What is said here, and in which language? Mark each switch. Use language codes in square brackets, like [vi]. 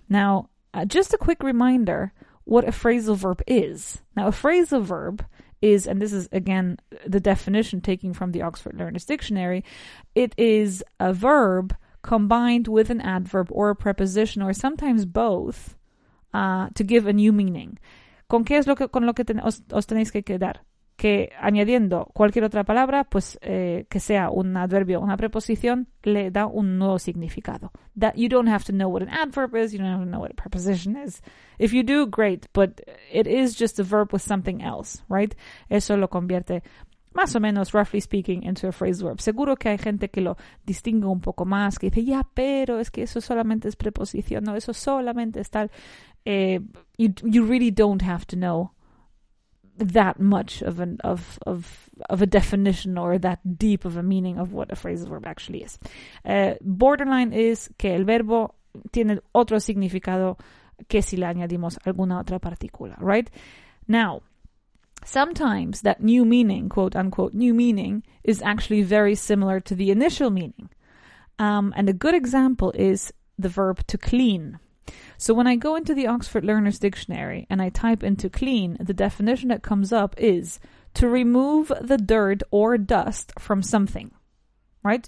[en] Now, just a quick reminder what a phrasal verb is. Now, a phrasal verb is, and this is again the definition taking from the Oxford Learner's Dictionary, it is a verb combined with an adverb or a preposition or sometimes both to give a new meaning. [es] ¿Con qué es lo que os tenéis que quedar? Que añadiendo cualquier otra palabra, pues que sea un adverbio o una preposición, le da un nuevo significado. [en] That you don't have to know what an adverb is, you don't have to know what a preposition is. If you do, great, but it is just a verb with something else, right? [es] Eso lo convierte, más o menos, [en] roughly speaking, into a phrasal verb. [es] Seguro que hay gente que lo distingue un poco más, que dice, ya, pero es que eso solamente es preposición, no, eso solamente es tal. [en] You really don't have to know that much of a definition or that deep of a meaning of what a phrasal verb actually is. Borderline is [es] que el verbo tiene otro significado que si le añadimos alguna otra partícula, right? Now, [en] sometimes that new meaning, quote unquote, new meaning, is actually very similar to the initial meaning. And a good example is the verb to clean. So when I go into the Oxford Learner's Dictionary and I type into clean, the definition that comes up is to remove the dirt or dust from something, right?